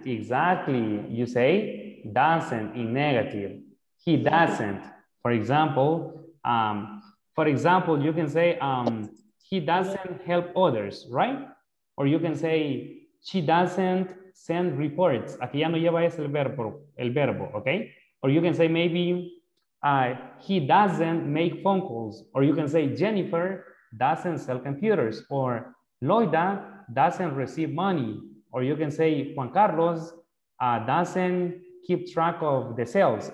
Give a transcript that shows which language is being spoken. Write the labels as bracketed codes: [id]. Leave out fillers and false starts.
[en] Exactly. You say doesn't in negative. He doesn't, for example. For example, you can say, he doesn't help others, right? Or you can say, she doesn't send reports. [es] Aquí ya no lleva ese el verbo, okay? [en] Or you can say maybe, he doesn't make phone calls. Or you can say, Jennifer doesn't sell computers. Or Loida doesn't receive money. Or you can say, Juan Carlos doesn't keep track of the sales.